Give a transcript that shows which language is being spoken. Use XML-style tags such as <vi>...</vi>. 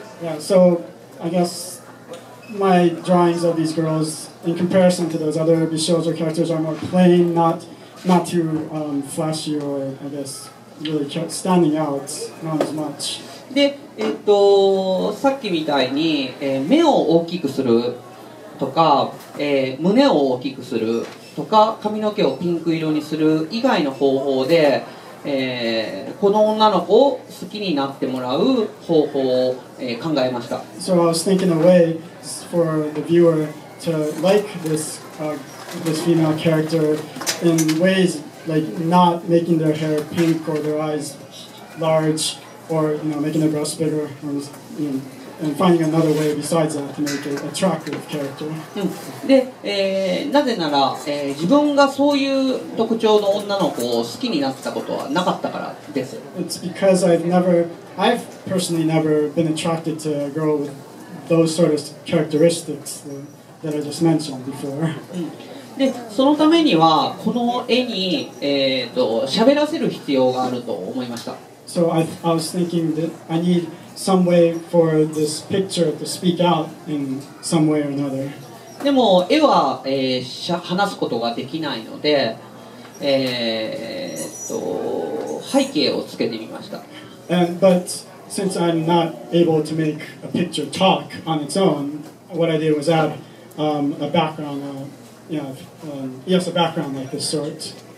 <en>Yeah, so I guess my drawings of these girls in comparison to those other 美少女 characters are more plain, not too flashy or I guess really standing out, not as much.</en> <ja>で、さっきみたいに、目を大きくするとか、胸を大きくするとか髪の毛をピンク色にする以外の方法でこの女の子を好きになってもらう方法を、考えました。</ja> <en>So I was thinking a way for the viewer to like this, this female character in ways like not making their hair pink or their eyes large or you know, making their breasts bigger or, you know,And finding another way besides that to make an attractive character.</en> <ja>で、なぜなら、自分がそういう特徴の女の子を好きになったことはなかったからです。</ja> <en>It's because I've personally never been attracted to a girl with those sort of characteristics that I just mentioned before.</en> <ja>で、そのためにはこの絵に、喋らせる必要があると思いました。</ja> <en>So I was thinking that I need some way for this picture to speak out in some way or another.</en> <ja>でも絵は、話すことができないので、背景をつけてみました。</ja> <en>And, but since I'm not able to make a picture talk on its own, what I did was add a background, a background like this sort.</en>